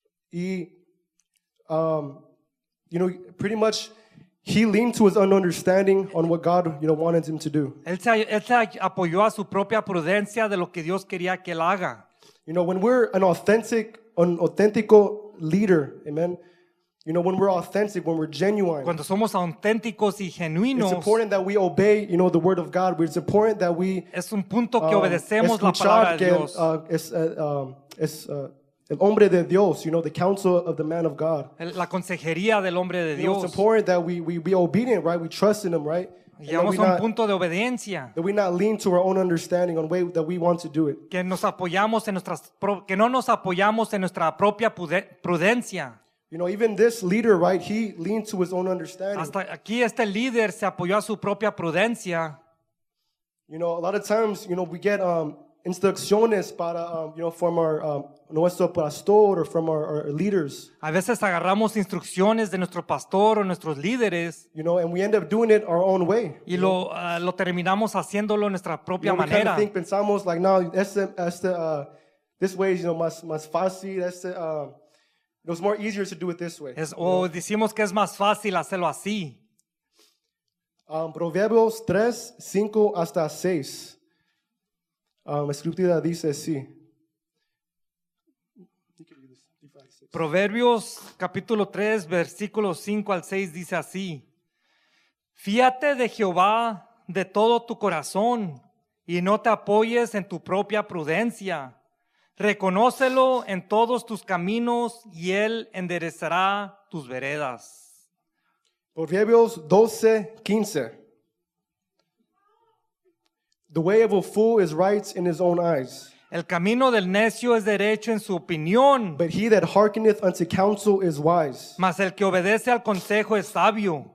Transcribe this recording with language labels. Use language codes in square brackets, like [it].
[en] Y, you know, pretty much, he leaned to his own understanding on what God, you know, wanted him to do. [es] Él se apoyó a su propia prudencia de lo que Dios quería que él haga. [en] You know, when we're an authentico leader, amen. You know, when we're authentic, when we're genuine. [es] Cuando somos auténticos y genuinos. [en] It's important that we obey, you know, the word of God. It's important that we. [es] Es un punto que obedecemos la palabra de Dios. El hombre de Dios, [en] you know, the counsel of the man of God. [es] La consejería del hombre de Dios. [en] You know, it's important that we be obedient, right? We trust in him, right? [es] Llegamos a un punto de obediencia. [en] That we not lean to our own understanding on the way that we want to do it. [es] Que no nos apoyamos en nuestra propia prudencia. [en] You know, even this leader, right? He leaned to his own understanding. [es] Hasta aquí este líder se apoyó a su propia prudencia. [en] You know, a lot of times, you know, we get [es] instrucciones para, [en] you know, from our [es] nuestro [en] pastor or from our leaders. [es] A veces agarramos instrucciones de nuestro pastor o nuestros líderes. [en] You know, and we end up doing it our own way. [es] Y lo terminamos haciéndolo nuestra propia manera. [en] You know, [es] pensamos [en] like, no, this way is, you know, [es] más fácil. [en] It was more easier to do it this way. [es] Decimos que es más fácil hacerlo así. Proverbios 3, 5 hasta 6. Escritura dice así. Proverbios capítulo 3, versículos 5 al 6 dice así. Fíate de Jehová de todo tu corazón y no te apoyes en tu propia prudencia. Reconócelo en todos tus caminos y él enderezará tus veredas. Proverbios 12, 15. [en] The way of a fool is right in his own eyes. [es] El camino del necio es derecho en su opinión. [en] But he that hearkeneth unto counsel is wise. [es] Mas el que obedece al consejo es sabio.